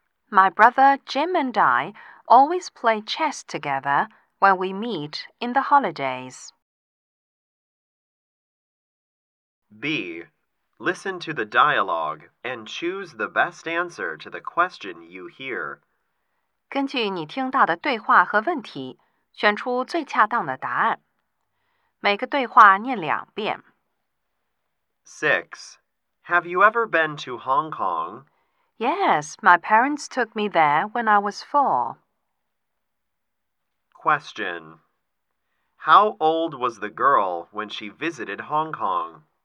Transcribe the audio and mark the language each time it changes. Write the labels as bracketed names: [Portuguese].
[English] My brother Jim and I always play chess together when we meet in the holidays. B. Listen to the dialogue and choose the best answer to the question you hear. [Chinese] 根据你听到的对话和问题，选出最恰当的答案。每个对话念两遍。 [English] 6. Have you ever been to Hong Kong? Yes, my parents took me there when I was 4. Question. How old was the girl when she visited Hong Kong?